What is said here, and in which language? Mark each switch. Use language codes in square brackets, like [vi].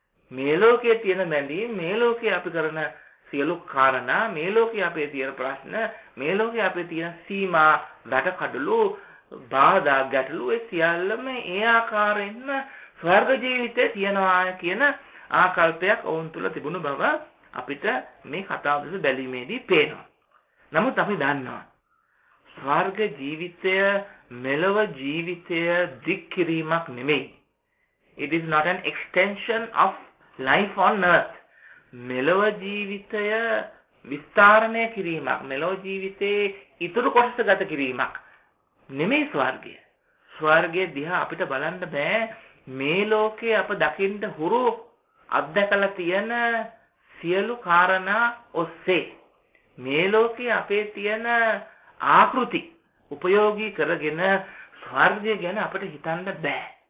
[si] මේ ලෝකයේ තියෙන බැඳීම්, මේ ලෝකයේ අපි කරන සියලු කාරණා, මේ ලෝකයේ අපේ තියෙන ප්‍රශ්න, මේ ලෝකයේ අපේ තියෙන සීමා, වැටකඩලු, බාධා, ගැටලු, ඒ සියල්ලම ඒ ආකාරයෙන්ම ස්වර්ග ජීවිතේ තියෙනවා කියන ආකල්පයක් ඔවුන් තුළ තිබුණු බව අපිට මේ කතාව දෙස බැලීමේදී පේනවා. නමුත් අපි දන්නවා ස්වර්ග ජීවිතය මෙලව ජීවිතය දික් කිරීමක් නෙමෙයි. [en] It is not an extension of life on earth. [si] මෙලව ජීවිතය විස්තරණය කිරීමක්, මෙලව ජීවිතේ ඉතුරු කොටස ගත කිරීමක් නෙමෙයි ස්වර්ගය. ස්වර්ගය දිහා අපිට බලන්න බෑ. මේ ලෝකේ අප දකින්න හුරු අත්දැකලා තියෙන සියලු කාරණා ඔස්සේ මේ ලෝකේ අපේ තියෙන ආකෘති උපයෝගී කරගෙන ස්වර්ගය ගැන අපිට හිතන්න බෑ.